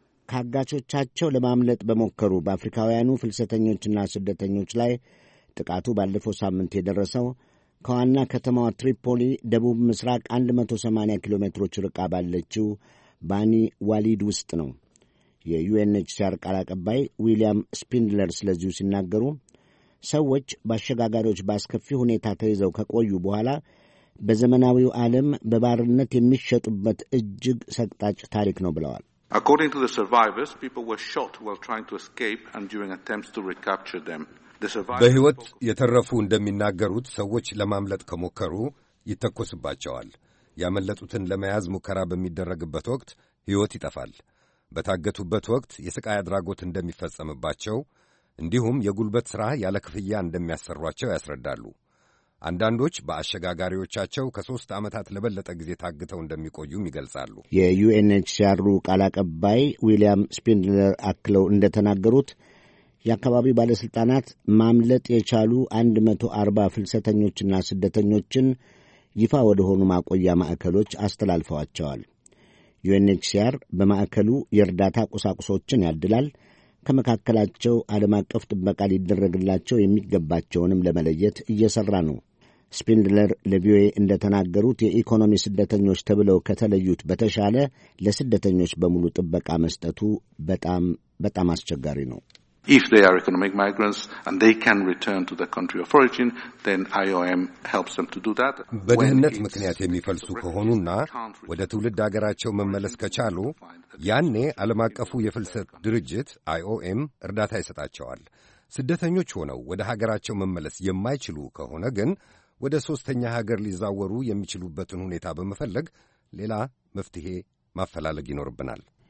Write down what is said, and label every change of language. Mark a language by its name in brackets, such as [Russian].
[Amharic] ከአጋቾቻቸው ለማምለጥ በሞከሩ በአፍሪካውያኑ ፍልሰተኞችና ስደተኞች ላይ ጥቃቱ ባለፈው ሳምንት የደረሰው ከዋና ከተማዋ ትሪፖሊ ደቡብ ምስራቅ 180 ኪሎ ሜትሮች ርቃ ባለችው ባኒ ዋሊድ ውስጥ ነው። የዩኤንኤችሲአር ቃል አቀባይ ዊልያም ስፒንድለር ስለዚሁ ሲናገሩ ሰዎች በአሸጋጋሪዎች በአስከፊ ሁኔታ ተይዘው ከቆዩ በኋላ በዘመናዊው ዓለም በባርነት የሚሸጡበት እጅግ ሰቅጣጭ ታሪክ ነው ብለዋል። [English] According to the survivors, people were shot while trying to escape and during attempts to recapture them. [Amharic] በሕይወት የተረፉ እንደሚናገሩት ሰዎች ለማምለጥ ከሞከሩ ይተኮስባቸዋል። ያመለጡትን ለመያዝ ሙከራ በሚደረግበት ወቅት ሕይወት ይጠፋል። በታገቱበት ወቅት የስቃይ አድራጎት እንደሚፈጸምባቸው እንዲሁም የጉልበት ሥራ ያለ ክፍያ እንደሚያሰሯቸው ያስረዳሉ። አንዳንዶች በአሸጋጋሪዎቻቸው ከሦስት ዓመታት ለበለጠ ጊዜ ታግተው እንደሚቆዩም ይገልጻሉ። የዩኤንኤችሲአሩ ቃል አቀባይ ዊልያም ስፒንድለር አክለው እንደተናገሩት የአካባቢው ባለሥልጣናት ማምለጥ የቻሉ 140 ፍልሰተኞችና ስደተኞችን ይፋ ወደሆኑ ማቆያ ማዕከሎች አስተላልፈዋቸዋል። ዩኤንኤችሲአር በማዕከሉ የእርዳታ ቁሳቁሶችን ያድላል። ከመካከላቸው ዓለም አቀፍ ጥበቃ ሊደረግላቸው የሚገባቸውንም ለመለየት እየሠራ ነው። ስፒንድለር ለቪኦኤ እንደ ተናገሩት የኢኮኖሚ ስደተኞች ተብለው ከተለዩት በተሻለ ለስደተኞች በሙሉ ጥበቃ መስጠቱ በጣም በጣም አስቸጋሪ ነው። [English] If they are economic migrants and they can return to the country of origin, then IOM helps them to do that. [Amharic] በደህንነት ምክንያት የሚፈልሱ ከሆኑና ወደ ትውልድ አገራቸው መመለስ ከቻሉ ያኔ ዓለም አቀፉ የፍልሰት ድርጅት IOM እርዳታ ይሰጣቸዋል። ስደተኞች ሆነው ወደ ሀገራቸው መመለስ የማይችሉ ከሆነ ግን ወደ ሶስተኛ ሀገር ሊዛወሩ የሚችሉበትን ሁኔታ በመፈለግ ሌላ መፍትሄ ማፈላለግ ይኖርብናል።